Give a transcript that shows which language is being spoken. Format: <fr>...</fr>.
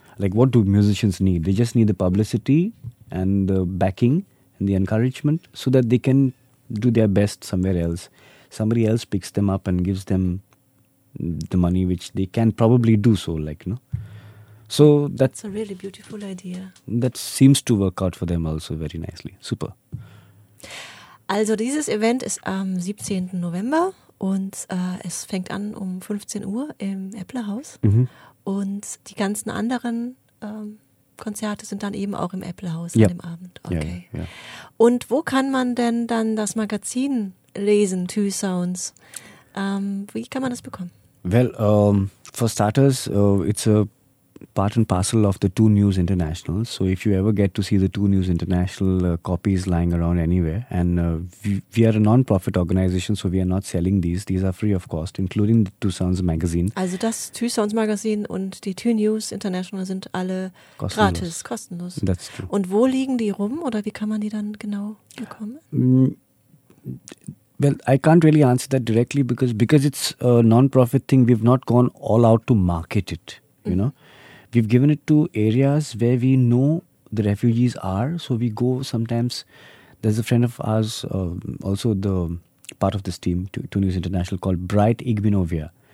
<en>Like, what do musicians need? They just need the publicity and the backing and the encouragement so that they can do their best somewhere else. Somebody else picks them up and gives them the money, which they can probably do so, like, you know. So that's a really beautiful idea. That seems to work out for them also very nicely.</en> <de>Super. Also dieses Event ist am 17. November und es fängt an um 15 Uhr im Apple House. Mhm. Und die ganzen anderen Konzerte sind dann eben auch im Apple House an dem Abend. Okay. Ja. Und wo kann man denn dann das Magazin lesen, Two Sounds? Wie kann man das bekommen?</de> <en>Well, for starters, it's a part and parcel of the Two News International. So if you ever get to see the Two News International copies lying around anywhere, and we are a non-profit organization, so we are not selling these. These are free of cost, including the Two Sounds magazine.</en> <de>Also das Two Sounds magazine und die Two News International sind alle kostenlos. Gratis, kostenlos.</de> <en>That's true.</en> <de>Und wo liegen die rum oder wie kann man die dann genau bekommen?</de> <en>Well, I can't really answer that directly because it's a non-profit thing. We've not gone all out to market it, you know. We've given it to areas where we know the refugees are. So we go sometimes. There's a friend of ours, also the part of this team, Two News International, called Bright Igbinovia.</en>